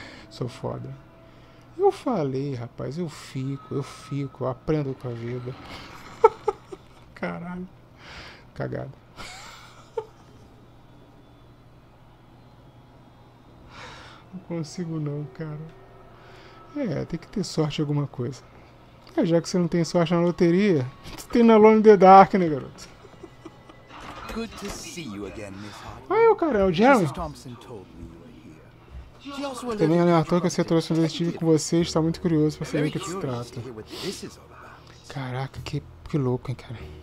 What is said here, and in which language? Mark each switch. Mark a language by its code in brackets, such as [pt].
[pt] Sou foda. Eu falei, rapaz, eu fico, eu aprendo com a vida. Caralho. Cagado. Não consigo não, cara. É, tem que ter sorte em alguma coisa. É, já que você não tem sorte na loteria, tu tem na Alone in the Dark, né, garoto? [en] Good to see you again, Miss Hart. [pt] Aí o cara, é o Jeremy. [en] Mrs. Thompson told me. [pt] Também alertou que você trouxe um detetive com você e está muito curioso para saber o que se trata. Caraca, que louco, hein, cara.